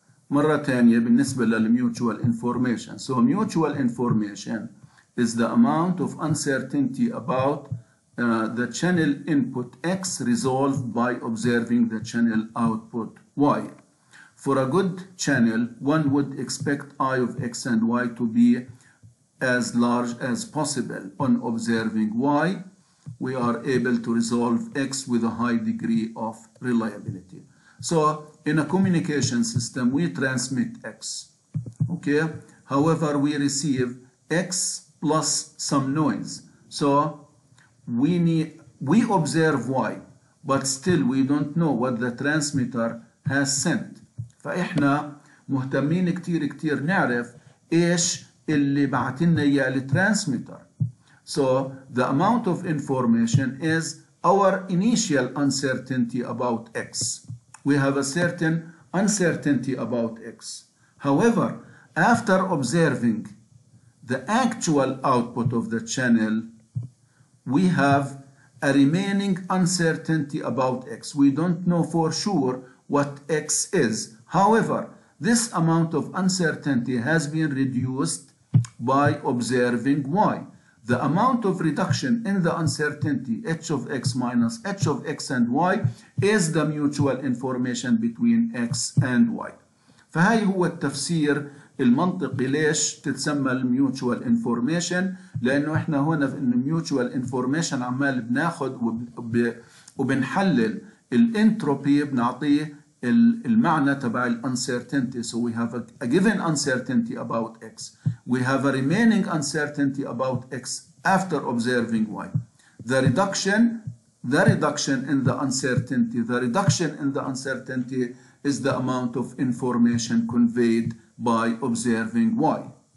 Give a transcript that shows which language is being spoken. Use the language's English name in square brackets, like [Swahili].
[Arabic] مرة تانية بالنسبة للميوتشوال انفورميشن. [English] So mutual information is the amount of uncertainty about the channel input x resolved by observing the channel output y. For a good channel, one would expect I of x and y to be as large as possible. On observing y, we are able to resolve x with a high degree of reliability. So in a communication system, we transmit x, okay? However, we receive x plus some noise. So we observe y, but still we don't know what the transmitter has sent. [Arabic] فإحنا مهتمين كتير كتير نعرف إيش اللي بعتنا إياه للترانسميتر. [English] So the amount of information is our initial uncertainty about x. We have a certain uncertainty about x. However, after observing the actual output of the channel, we have a remaining uncertainty about x. We don't know for sure what x is. However, this amount of uncertainty has been reduced by observing y. The amount of reduction in the uncertainty, h of x minus h of x and y, is the mutual information between x and y. [Arabic] فهي هو التفسير المنطقي ليش تتسمى mutual information، لأنه إحنا هنا في mutual information عمال بناخد وبنحلل الانتروبي، بنعطيه المعنى تبع uncertainty. [English] So we have a given uncertainty about x. We have a remaining uncertainty about x after observing y. The reduction in the uncertainty, the reduction in the uncertainty is the amount of information conveyed by observing y.